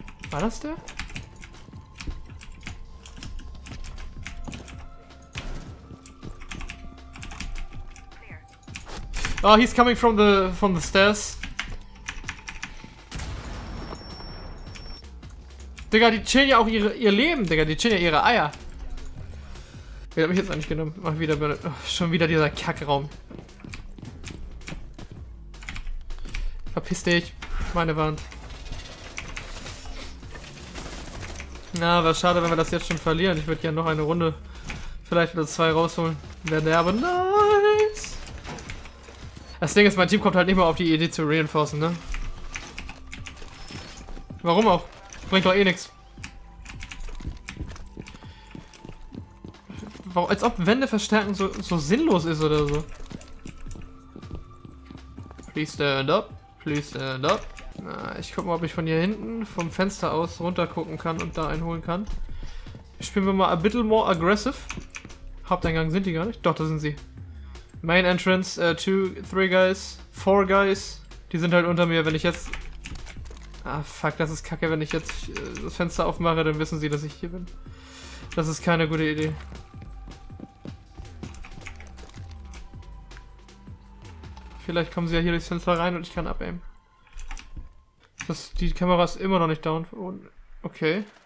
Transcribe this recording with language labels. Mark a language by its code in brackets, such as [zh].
[de] War das der? [en] Oh, he's coming from the stairs. [de] Digga, die chillen ja auch ihr Leben, Digga, die chillen ja ihre Eier. Wer hat mich jetzt eigentlich genommen? Mach wieder, schon wieder dieser Kackraum. Verpiss dich, meine Wand. Na, wäre schade, wenn wir das jetzt schon verlieren. Ich würde gerne noch eine Runde, vielleicht oder zwei rausholen. Wäre der aber nice. Das Ding ist, mein Team kommt halt nicht mal auf die Idee zu reinforcen, ne? Warum auch? Bringt doch eh nichts. Als ob Wände verstärken so sinnlos ist oder so. [en] Please stand up. Please stand up. [de] Na, ich guck mal, ob ich von hier hinten vom Fenster aus runter gucken kann und da einen holen kann. Spielen wir mal [en] a bit more aggressive. [de] Haupteingang sind die gar nicht. Doch, da sind sie. [en] Main entrance, 2, 3 guys, 4 guys. [de] Die sind halt unter mir, wenn ich jetzt. Ah, fuck, das ist kacke. Wenn ich jetzt das Fenster aufmache, dann wissen sie, dass ich hier bin. Das ist keine gute Idee. Vielleicht kommen sie ja hier durchs Fenster rein und ich kann abaimen. Die Kamera ist immer noch nicht down. Okay.